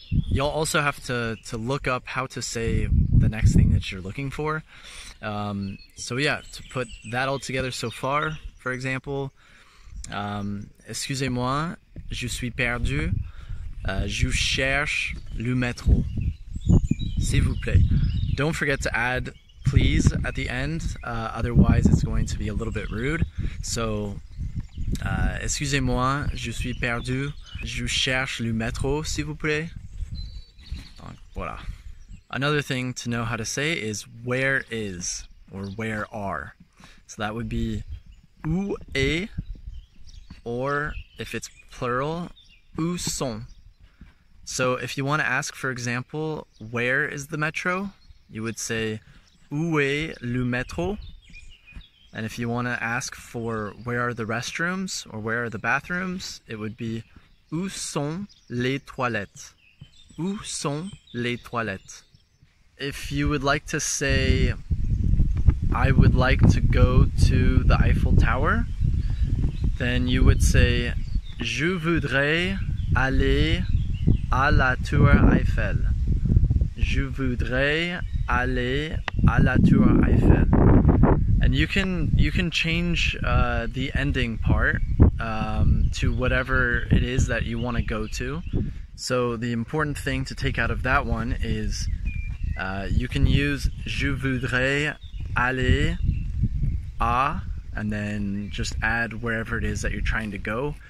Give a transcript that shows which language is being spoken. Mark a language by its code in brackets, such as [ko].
[en] You'll also have to look up how to say the next thing that you're looking for. To put that all together so far, for example, [fr] excusez-moi, je suis perdu, je cherche le métro, s'il vous plaît. Don't forget to add please at the end, otherwise it's going to be a little bit rude. So, excusez-moi, je suis perdu, je cherche le métro, s'il vous plaît. Voilà. [en] Another thing to know how to say is where is or where are. So that would be [fr] où est, [en] or if it's plural, [fr] où sont. [en] So if you want to ask, for example, where is the metro, you would say [fr] où est le métro. [en] And if you want to ask for where are the restrooms or where are the bathrooms, it would be [fr] où sont les toilettes. Où sont les toilettes? [en] If you would like to say, I would like to go to the Eiffel Tower, then you would say, [fr] je voudrais aller à la Tour Eiffel. Je voudrais aller à la Tour Eiffel. [en] And you can change the ending part to whatever it is that you want to go to. So the important thing to take out of that one is you can use [fr] je voudrais aller à, [en] and then just add wherever it is that you're trying to go.